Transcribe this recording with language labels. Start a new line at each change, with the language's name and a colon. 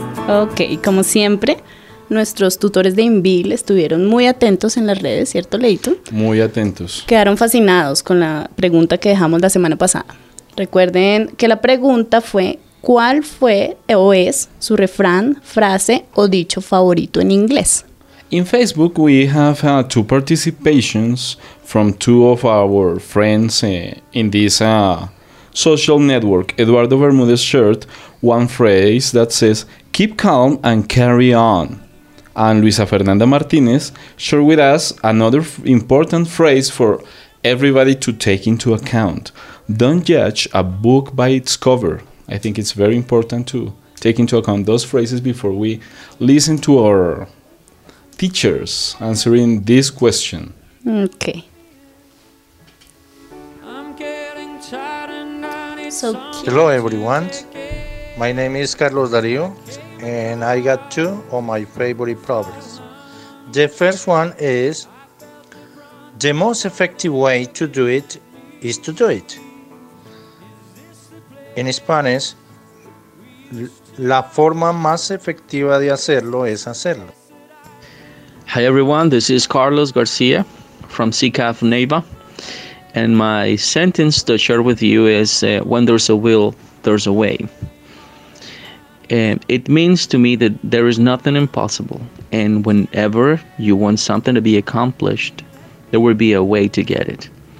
Spanish: Ok, como siempre, nuestros tutores de Inville estuvieron muy atentos en las redes, ¿cierto, Leito? Muy atentos. Quedaron fascinados con la pregunta que dejamos la semana pasada. Recuerden que la pregunta fue, ¿cuál fue o es su refrán, frase o dicho favorito en inglés?
English: In Facebook, we have two participations from two of our friends in this social network. Eduardo Bermúdez shared one phrase that says, keep calm and carry on. And Luisa Fernanda Martinez shared with us another important phrase for everybody to take into account. Don't judge a book by its cover. I think it's very important to take into account those phrases before we listen to our teachers answering this question. Okay. So hello everyone, my name is Carlos Darío and I got two of my favorite proverbs. The first one is, the most effective way to do it is to do it. In Spanish,
Spanish: la forma más efectiva de hacerlo es hacerlo.
English: Hi everyone, this is Carlos García from CCAF Neiva. And my sentence to share with you is, when there's a will, there's a way. It means to me that there is nothing impossible. And whenever you want something to be accomplished, there will be a way to get it.